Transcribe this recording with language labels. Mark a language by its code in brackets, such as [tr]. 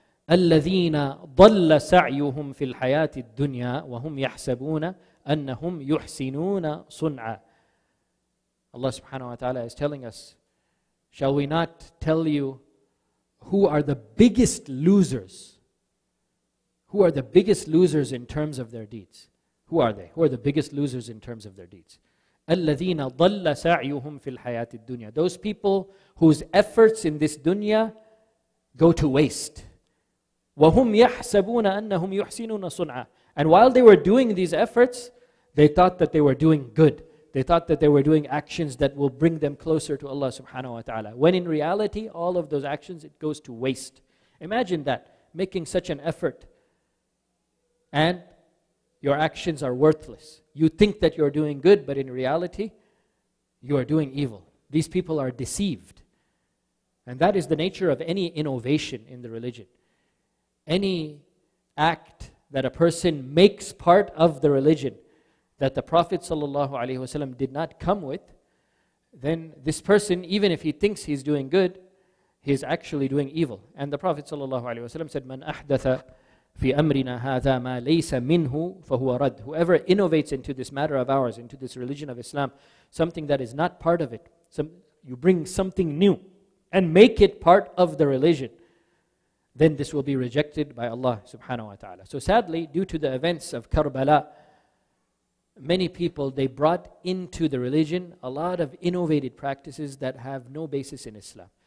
[ar] الذين ضل سعيهم في الحياة الدنيا وهم يحسبون أنهم يحسنون صنعا. [en] Allah subhanahu wa ta'ala is telling us, shall we not tell you who are the biggest losers? Who are the biggest losers in terms of their deeds? Who are they? Who are the biggest losers in terms of their deeds? [ar] الذين ضل سعيهم في الحياة الدنيا. [en] Those people whose efforts in this dunya go to waste. [ar] وَهُمْ يَحْسَبُونَ أَنَّهُمْ يُحْسِنُونَ صُنْعًا. [en] And while they were doing these efforts, they thought that they were doing good. They thought that they were doing actions that will bring them closer to Allah subhanahu wa ta'ala. When in reality, all of those actions, it goes to waste. Imagine that, making such an effort and your actions are worthless. You think that you're doing good, but in reality, you are doing evil. These people are deceived. And that is the nature of any innovation in the religion. Any act that a person makes part of the religion that the Prophet sallallahu alaihi wasallam did not come with, then this person, even if he thinks he's doing good, he's actually doing evil. And the Prophet sallallahu alaihi wasallam said, [ar] "Man ahdatha في أمرنا هذا ما ليس منه فهو رد. [en] Whoever innovates into this matter of ours, into this religion of Islam, something that is not part of it, you bring something new and make it part of the religion, then this will be rejected by Allah subhanahu wa ta'ala. So sadly, due to the events of Karbala, many people, they brought into the religion a lot of innovative practices that have no basis in Islam.